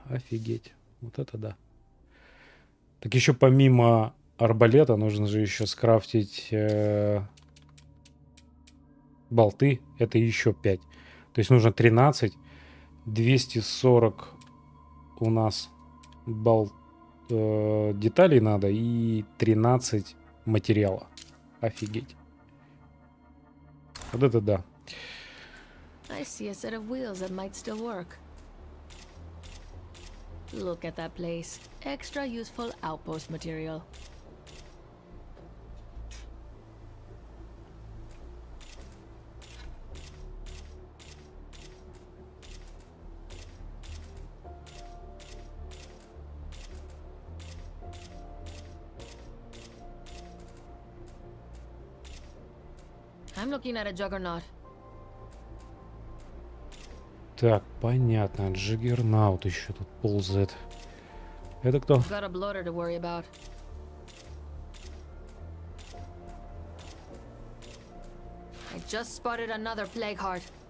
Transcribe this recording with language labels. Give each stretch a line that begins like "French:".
Russian: Офигеть, вот это да. Так еще помимо арбалета нужно же еще скрафтить болты, это еще 5. То есть нужно 13, 240 у нас деталей надо и 13 материала. Офигеть. Вот это да.
English: I see a set of wheels that might still work. Look at that place. Extra useful outpost material. I'm looking at a juggernaut.
Russian: Так, понятно, джиггернаут еще тут ползает. Это кто?
English: Got a bloater to worry about. I just spotted another plague heart.